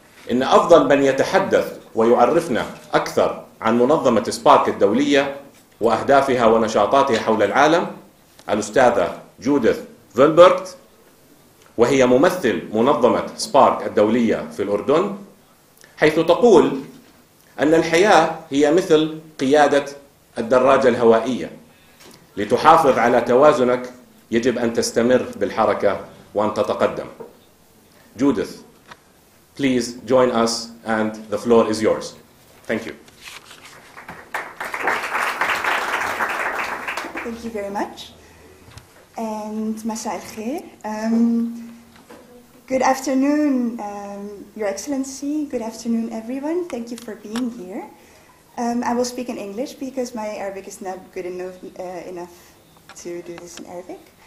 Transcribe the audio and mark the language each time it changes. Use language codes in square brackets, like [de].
[ar] إن أفضل من يتحدث ويعرفنا أكثر عن منظمة سبارك الدولية وأهدافها ونشاطاتها حول العالم الأستاذة جوديث فيلبرت، وهي ممثل منظمة سبارك الدولية في الأردن، حيث تقول أن الحياة هي مثل قيادة الدراجة الهوائية، لتحافظ على توازنك يجب أن تستمر بالحركة وأن تتقدم. جوديث، [en] please join us and the floor is yours. Thank you. Thank you very much. And [ar] مساء الخير. [en] Good afternoon, Your Excellency. Good afternoon, everyone. Thank you for being here. I will speak in English because my Arabic is not good enough to do this in Arabic.